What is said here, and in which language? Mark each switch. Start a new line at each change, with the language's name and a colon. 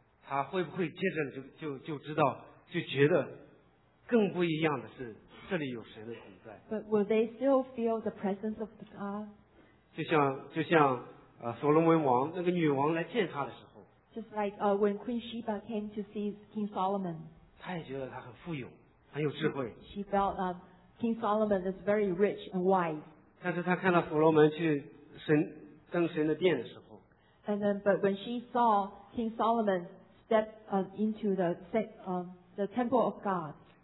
Chinese: 他会不会接着就知道就觉得更不一样的是这里有神的存在
English: But will they still feel the presence of God?
Chinese: 就像所罗门王那个女王来见他的时候
English: Just like when Queen Sheba came to see King Solomon
Chinese: 他也觉得他很富有很有智慧
English: She felt King Solomon is very rich and wise
Chinese: 但是他看到所罗门去神登神的殿的时候
English: And then but when she saw King Solomonstep into the temple of God.